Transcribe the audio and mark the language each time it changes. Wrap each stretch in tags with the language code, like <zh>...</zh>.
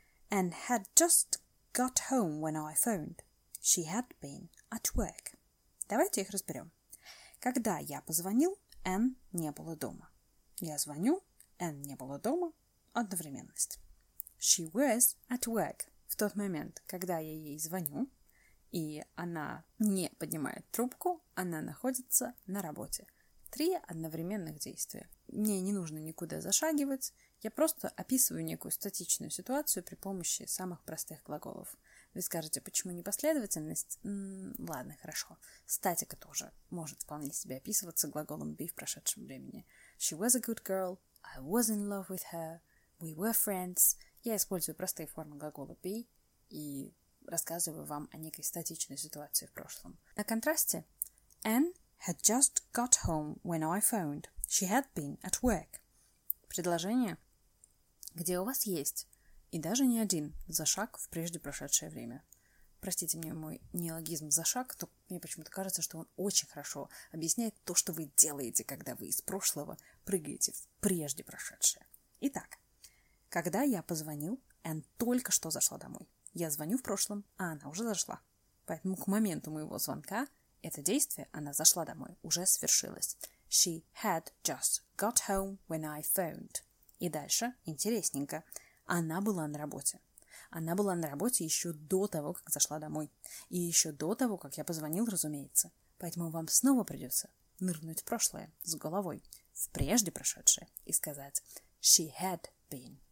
<en>Anne had just got home when I phoned. She had been at work.</en> <ru>Давайте их разберем. Когда я позвонил, Энн не было дома. Я звоню, Энн не было дома. Одновременность.</ru> <en>She was at work.</en> <ru>В тот момент, когда я ей звоню, и она не поднимает трубку, она находится на работе. Три одновременных действия. Мне не нужно никуда зашагивать. Я просто описываю некую статичную ситуацию при помощи самых простых глаголов. Вы скажете, почему не последовательность? Ладно, хорошо. Статика тоже может вполне себе описываться глаголом be в прошедшем времени.</ru> <en>She was a good girl. I was in love with her. We were friends.</en> <ru>Я использую простые формы глагола be и рассказываю вам о некой статичной ситуации в прошлом. На контрасте.</ru> <en>Anne had just got home when I phoned. She had been at work.</en> <ru>Предложение, где у вас есть... И даже не один за шаг в прежде прошедшее время. Простите мне мой неологизм за шаг, то мне почему-то кажется, что он очень хорошо объясняет то, что вы делаете, когда вы из прошлого прыгаете в прежде прошедшее. Итак, когда я позвонил, Энн только что зашла домой. Я звоню в прошлом, а она уже зашла. Поэтому к моменту моего звонка это действие «она зашла домой» уже свершилось.</ru> <en>She had just got home when I phoned.</en> <ru>И дальше, интересненько, она была на работе. Она была на работе еще до того, как зашла домой. И еще до того, как я позвонил, разумеется. Поэтому вам снова придется нырнуть в прошлое с головой, в прежде прошедшее, и сказать</ru> <en>«She had been</en>